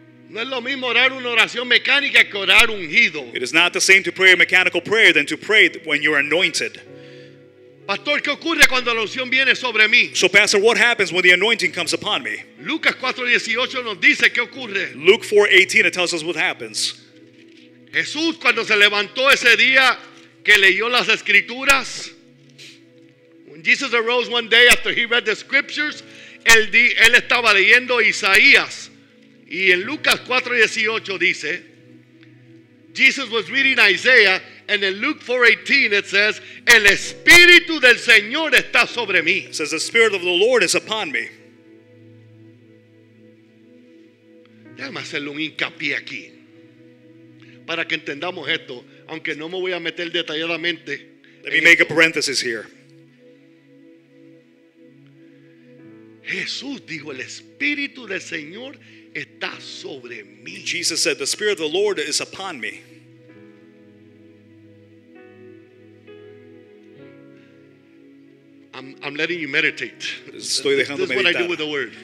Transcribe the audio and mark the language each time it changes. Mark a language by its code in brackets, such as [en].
[es] No es lo mismo orar una oración mecánica que orar ungido. [en] It is not the same to pray a mechanical prayer than to pray when you're anointed. [es] Pastor, ¿qué ocurre cuando la unción viene sobre mí? [en] So pastor, what happens when the anointing comes upon me? [es] Lucas 4:18 nos dice qué ocurre. [en] Luke 4:18 it tells us what happens. [es] Jesús cuando se levantó ese día que leyó las escrituras. [en] Jesus arose one day after he read the scriptures. [es] Él estaba leyendo Isaías. Y en Lucas 4:18 dice, [en] Jesus was reading Isaiah, and in Luke 4:18 it says, [es] el Espíritu del Señor está sobre mí. [en] It says, the Spirit of the Lord is upon me. [es] Déjame hacerle un hincapié aquí. Para que entendamos esto, aunque no me voy a meter detalladamente. [en] Let me make a parenthesis here. [es] Jesús dijo, el Espíritu del Señor está sobre mí. [en] Jesus said, the Spirit of the Lord is upon me. I'm letting you meditate. [es] Estoy dejando [en] This is what I do with the word.